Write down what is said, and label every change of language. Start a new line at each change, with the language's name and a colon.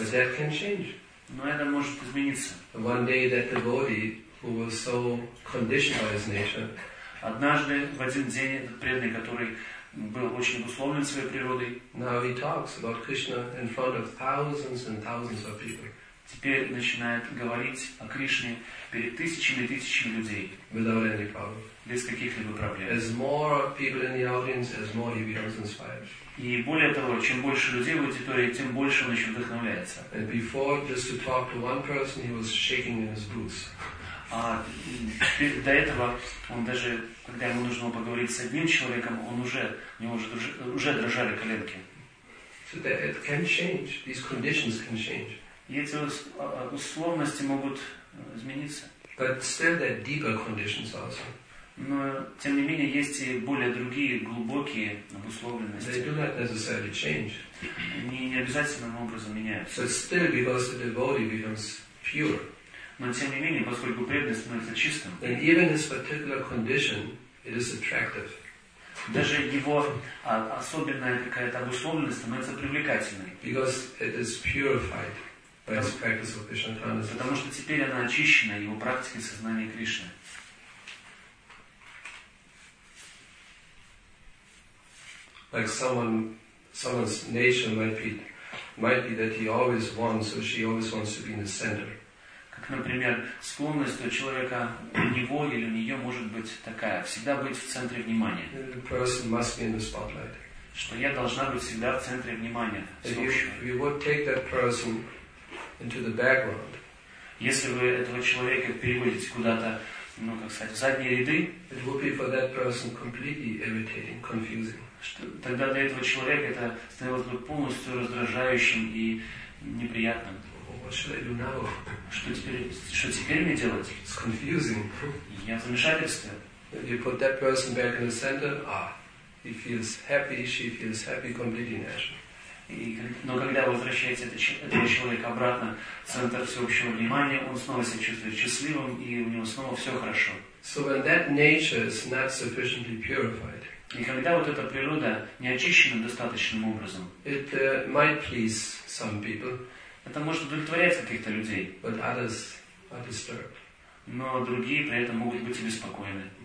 English: But that can change.
Russian: Но это может измениться.
English: One day that devotee who was so conditioned by his nature.
Russian: Однажды в один день этот преданный, который был очень обусловлен своей природой.
English: Now he talks about Krishna in front of thousands and thousands of people.
Russian: Теперь начинает говорить о Кришне перед тысячами и тысячами людей.
English: Without any problem.
Russian: Без каких-либо проблем.
English: As more people in the audience, as more he becomes inspired.
Russian: И более того, чем больше людей в аудитории, тем больше он еще вдохновляется.
English: And before, just to talk to one person, he was shaking in his boots.
Russian: А до этого он даже, когда ему нужно было поговорить с одним человеком, он уже, у него уже дрожали коленки.
English: So that it can change. These conditions can change.
Russian: И эти условности могут измениться.
English: But still there are deeper conditions also.
Russian: Но, тем не менее, есть и более другие, глубокие обусловленности.
English: They do not necessarily change.
Russian: Они не обязательным образом меняются.
English: But still, because the devotee becomes pure.
Russian: Но тем не менее, поскольку преданность становится чистым,
English: and even his particular condition, it is attractive.
Russian: Даже его особенная какая-то обусловленность становится привлекательной.
English: Because it is purified by his practice of Krishna consciousness.
Russian: Потому что теперь она очищена его практикой сознания Кришны.
English: Like someone's nature might be that he always wants, or she always wants to be in the center.
Russian: Как, например, склонность у человека, у него или у нее может быть такая, всегда быть в центре внимания.
English: The person must be in the spotlight.
Russian: Что я должна быть всегда в центре внимания.
English: If you would take that person into the background,
Russian: если вы этого человека переводите куда-то, ну, как сказать, в задние ряды,
English: it would be for that person completely irritating, confusing.
Russian: Что, тогда для этого человека это становилось бы полностью раздражающим и неприятным.
English: What should I do now?
Russian: Что теперь мне делать?
English: It's confusing.
Russian: Я в замешательстве.
English: If you put that person back in the center, he feels happy, she feels happy, completely natural.
Russian: Но когда вы возвращаете этого человека обратно в центр всеобщего внимания, он снова себя чувствует счастливым, и у него снова все хорошо.
English: So when that nature is not sufficiently purified,
Russian: и когда вот эта природа не очищена достаточным образом,
English: it might please some people.
Russian: Это может удовлетворять каких-то людей.
English: But others are disturbed.
Russian: Но другие при этом могут быть обеспокоены.